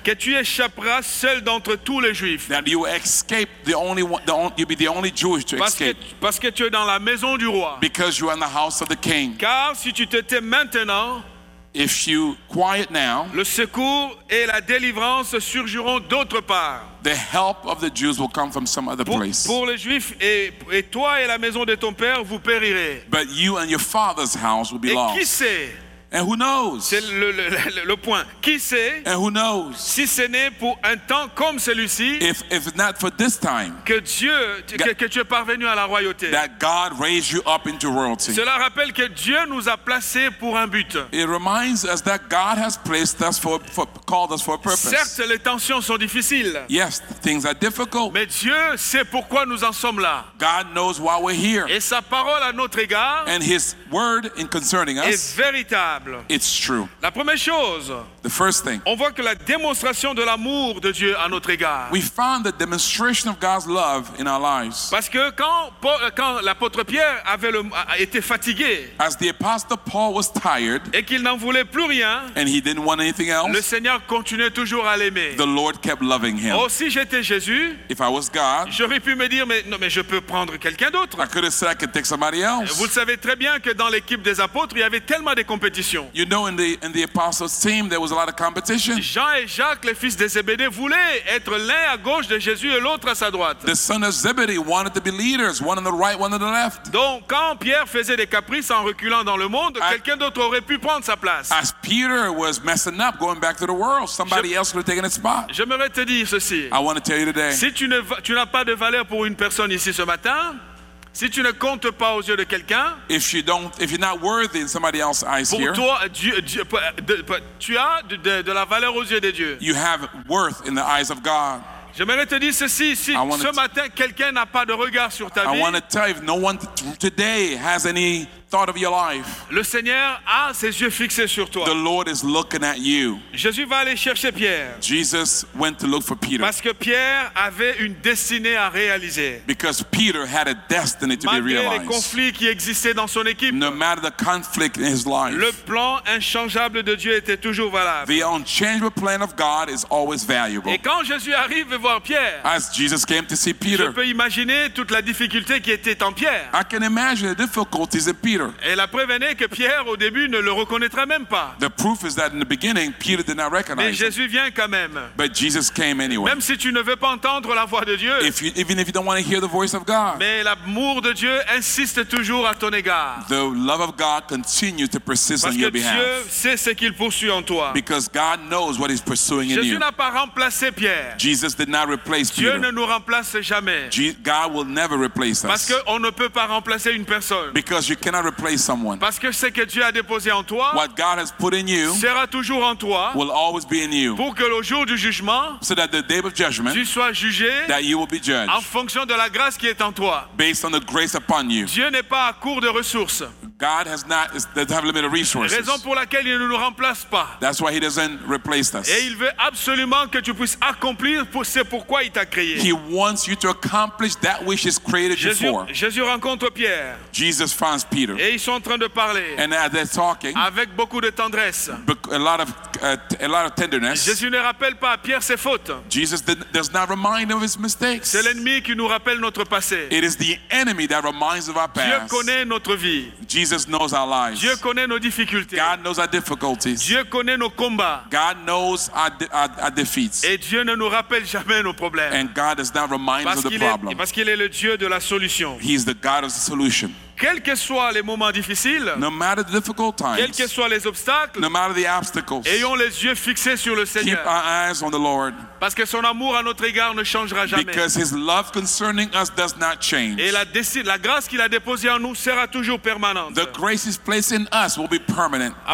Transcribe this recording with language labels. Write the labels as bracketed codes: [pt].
[fr] que tu échapperas seul d'entre tous les Juifs. [en] That you escape you'll be the only Jewish to escape. [fr] Parce que tu es dans la maison du roi. [en] Because you are in the house of the king. [fr] Car si tu te tais maintenant. [en] If you quiet now, [fr] le secours et la délivrance surgiront d'autre part. [en] The help of the Jews will come from some other place. [fr] Pour les Juifs et toi et la maison de ton père, vous périrez. [en] But you and your father's house will be [fr] et [en] lost. [fr] Et qui sait? [en] And who knows? [fr] C'est le point. Qui sait? [en] And who knows? [fr] Si ce n'est pour un temps comme celui-ci, [en] if not for this time, [fr] que tu es parvenu à la royauté. [en] That God raised you up into royalty. [fr] Cela rappelle que Dieu nous a placés pour un but. [en] It reminds us that God has placed us for called us for a purpose. [fr] Certes, les tensions sont difficiles. [en] Yes, things are difficult. [fr] Mais Dieu sait pourquoi nous en sommes là. [en] God knows why we're here. [fr] Et sa parole à notre égard [en] and His word in concerning us [fr] est véritable. véritable. [en] It's true. [fr] La première chose. [en] The first thing. [fr] On voit que la démonstration de l'amour de Dieu à notre égard. [en] We found the demonstration of God's love in our lives. [fr] Parce que quand l'apôtre Pierre était fatigué. [en] As the apostle Paul was tired. [fr] Et qu'il n'en voulait plus rien. [en] And he didn't want anything else. [fr] Le Seigneur continuait toujours à l'aimer. [en] The Lord kept loving him. [fr] Oh, si j'étais Jésus. [en] If I was God. [fr] J'aurais pu me dire mais je peux prendre quelqu'un d'autre. [en] I could have said I could take somebody else. [fr] Vous savez très bien que dans l'équipe des apôtres, il y avait tellement de compétition. [en] You know, in the apostles team, there was a lot of competition. [fr] Jean et Jacques, les fils de Zébédée, voulaient être l'un à gauche de Jésus et l'autre à sa droite. [en] The son of Zebedee wanted to be leaders, one on the right, one on the left. [fr] Donc, quand Pierre faisait des caprices en reculant dans le monde, quelqu'un d'autre aurait pu prendre sa place. [en] As Peter was messing up, going back to the world, somebody else could have taken his spot. [fr] J'aimerais te dire ceci. [en] I want to tell you today. [fr] Si tu n'as pas de valeur pour une personne ici ce matin. Si tu ne comptes pas aux yeux de quelqu'un, [en] if you're not worthy in somebody else's eyes [fr] pour [en] here, [fr] toi, tu as de la valeur aux yeux de Dieu. [en] You have worth in the eyes of God. [fr] J'aimerais te dire ceci, si ce matin quelqu'un n'a pas de regard sur ta vie, [en] I want to tell you, if no one today has any thought of your life, [fr] le Seigneur a ses yeux fixés sur toi. [en] The Lord is looking at you. [fr] Jésus va aller chercher Pierre. [en] Jesus went to look for Peter. [fr] Parce que Pierre avait une destinée à réaliser. [en] Because Peter had a destiny to [fr] Malgré [en] be realized. [fr] Les conflits qui existaient dans son équipe, [en] no matter the conflict in his life, [fr] le plan inchangeable de Dieu était toujours valable. [en] The unchangeable plan of God is always valuable. [fr] Et quand Jésus arrive voir Pierre, [en] as Jesus came to see Peter, [fr] je peux imaginer toute la difficulté qui était en Pierre. [en] I can imagine the difficulties in Peter. [fr] Et la preuve est que Pierre, au début, ne le reconnaîtra même pas. [en] The proof is that in the beginning, Peter did not recognize [fr] him. Mais Jésus vient quand même. [en] But Jesus came anyway. [fr] Même si tu ne veux pas entendre la voix de Dieu. [en] Even if you don't want to hear the voice of God. [fr] Mais l'amour de Dieu insiste toujours à ton égard. [en] The love of God continues to persist on your behalf. [fr] Parce que Dieu sait ce qu'il poursuit en toi. [en] Because God knows what he's pursuing in you. [fr] Jésus n'a pas remplacé Pierre. [en] Jesus did not replace [fr] Dieu [en] Peter. [fr] Dieu ne nous remplace jamais. [en] God will never replace us. [fr] Parce qu'on ne peut pas remplacer une personne. [en] Because you cannot replace someone. [fr] Parce que ce que Dieu a déposé en toi, [en] what God has put in you, [fr] sera toujours en toi, [en] will always be in you. [fr] Pour que le jour du jugement, [en] so that the day of judgment, [fr] tu sois jugé, [en] that you will be judged, [fr] en fonction de la grâce qui est en toi, [en] based on the grace upon you. [fr] Dieu n'est pas à court de ressources. [en] God has not, doesn't have limited resources. [fr] Raison pour laquelle il ne nous remplace pas. [en] That's why he doesn't replace us. [fr] Et il veut absolument que tu puisses accomplir pour ce pourquoi il t'a créé. [en] He wants you to accomplish that which is created [fr] Jésus, [en] you for. [fr] Jésus rencontre Pierre. [en] Jesus finds Peter. [fr] Et ils sont en train de parler. [en] And as they're talking. [fr] Avec beaucoup de tendresse. [en] A lot of tenderness. [fr] Jésus ne rappelle pas à Pierre ses fautes. [en] Jesus does not remind him of his mistakes. [fr] C'est l'ennemi qui nous rappelle notre passé. [en] It is the enemy that reminds of our past. [fr] Dieu connaît notre vie. [en] Jesus knows our lives. [fr] Dieu connaît nos difficultés. [en] God knows our difficulties. [fr] Dieu connaît nos combats. [en] God knows our defeats. [fr] Et Dieu ne nous rappelle jamais nos problèmes. [en] And God does not remind us of the problem. [fr] Parce qu'il est le Dieu de la solution. [en] He is the God of the solution. [fr] Quels que soient les moments difficiles, [en] no matter the difficult times, [fr] quels que soient les obstacles, [en] no matter the obstacles, [fr] ayons les yeux fixés sur le Seigneur. [en] Keep our eyes on the Lord. [fr] Parce que son amour à notre égard ne changera jamais. [en] Because his love concerning us does not change. [fr] Et la grâce qu'il a déposée en nous sera toujours permanente. [en] The grace he's placed in us will be permanent.